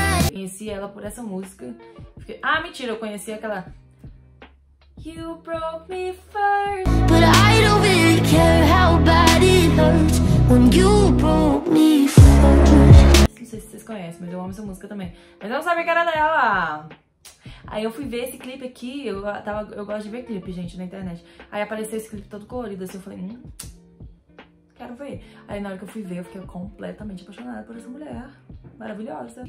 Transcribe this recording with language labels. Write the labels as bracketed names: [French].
[Portuguese] Conheci ela por essa música. Fiquei... ah, mentira, eu conheci aquela. [English] You broke me first. But I don't really care how bad it hurts when you broke me first. [Portuguese] Não sei se vocês conhecem, mas eu amo essa música também. Mas eu não sabia que era dela. Aí eu fui ver esse clipe aqui. Eu gosto de ver clipe, gente, na internet. Aí apareceu esse clipe todo colorido assim. Eu falei, quero ver. Aí na hora que eu fui ver, eu fiquei completamente apaixonada por essa mulher. Maravilhosa.